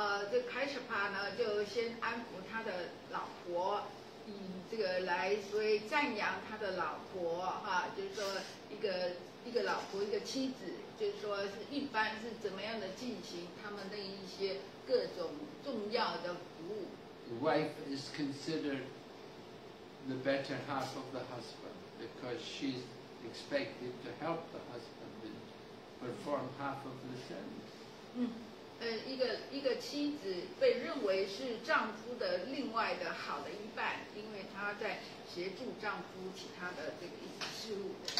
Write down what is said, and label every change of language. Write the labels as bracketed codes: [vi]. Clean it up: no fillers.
[zh] 这个开始吧呢，就先安抚他的老婆，以这个来所谓赞扬他的老婆哈，就是说一个老婆一个妻子，就是说是一般是怎么样的进行他们的一些各种重要的服务。 [en] Wife is considered the better half of the husband because she's expected to help the husband perform half of the service. [zh] 一个妻子被认为是丈夫的另外的好的一半，因为她在协助丈夫其他的这个事务。